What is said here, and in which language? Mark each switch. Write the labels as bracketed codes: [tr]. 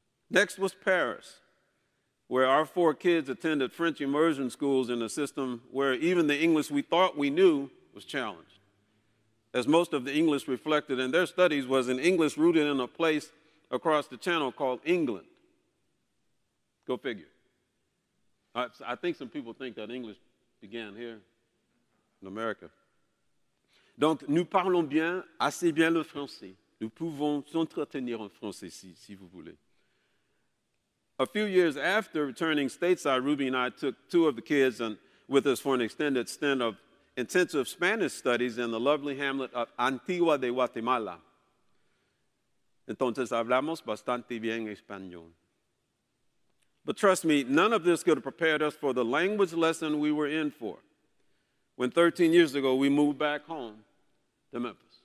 [en] Next was Paris, where our four kids attended French immersion schools in a system where even the English we thought we knew was challenged, as most of the English reflected in their studies was an English rooted in a place across the channel called England. Go figure. I think some people think that English began here in America. [fr] Donc, nous parlons bien, assez bien le français. Nous pouvons s'entretenir en français, si vous voulez. [en] A few years after returning stateside, Ruby and I took two of the kids with us for an extended stint of intensive Spanish studies in the lovely hamlet of Antigua de Guatemala. [es] Entonces hablamos bastante bien español. [en] But trust me, none of this could have prepared us for the language lesson we were in for when 13 years ago we moved back home to Memphis.